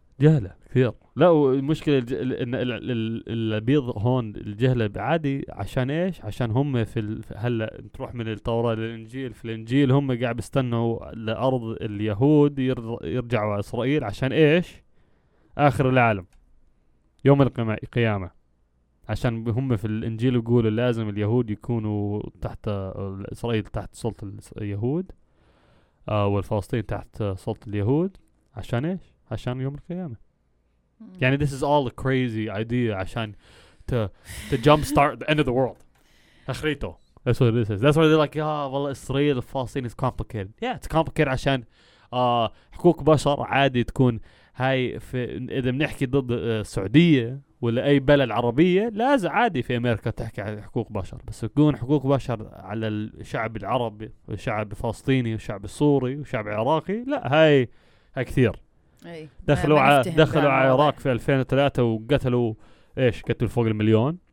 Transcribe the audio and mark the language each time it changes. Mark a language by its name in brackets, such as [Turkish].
[Arabic] جهله كثير لا المشكله ان البيض هون الجهله بعادي عشان ايش عشان هم في هلا تروح من التوراة للانجيل في الانجيل هم قاعد بيستنوا لارض اليهود يرجعوا على اسرائيل عشان ايش اخر العالم يوم القيامه عشان هم في الانجيل يقولوا لازم اليهود يكونوا تحت اسرائيل تحت سلطه اليهود والفلسطين تحت سلطه اليهود عشان إيش؟ عشان يوم القيامة. [English] يعني this is all a crazy idea عشان to jump start the end of the world. أخريته. That's what this is. That's why they're like, yeah, well, إسرائيل الفلسطين is complicated. Yeah, it's complicated [Arabic] عشان حقوق بشر عادي تكون هاي في إذا بنحكي ضد السعودية ولا أي بلد عربية لازم عادي في أمريكا تحكي عن حقوق بشر بس تكون حقوق بشر على الشعب العربي والشعب الفلسطيني والشعب السوري والشعب العراقي لا هاي كثير دخلوا دخلوا على العراق في 2003 وقتلوا ايش قتلوا فوق المليون